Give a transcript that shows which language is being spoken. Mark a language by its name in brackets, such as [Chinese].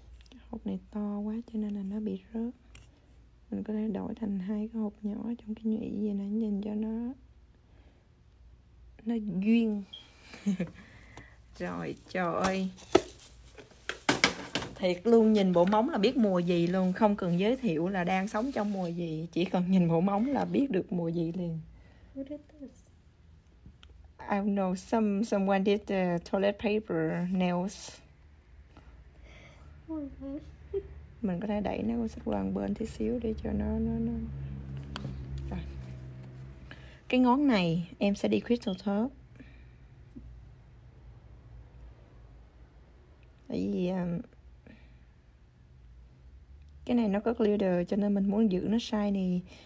[Vietnamese] Cái hộp này to quá cho nên là nó bị rớt. Mình có thể đổi thành hai cái hộp nhỏ trong cái nhụy gì nè, nhìn cho nó duyên. Rồi, trời ơi. Thiệt luôn, nhìn bộ móng là biết mùa gì luôn, không cần giới thiệu là đang sống trong mùa gì, chỉ cần nhìn bộ móng là biết được mùa gì liền. [English] What is this? I don't know, someone did the toilet paper nails. [Vietnamese] Mình có thể đẩy nó qua sang bên tí xíu để cho nó. Rồi. Cái ngón này em sẽ đi crystal top. Tại vì cái này nó có glitter cho nên mình muốn giữ nó shiny.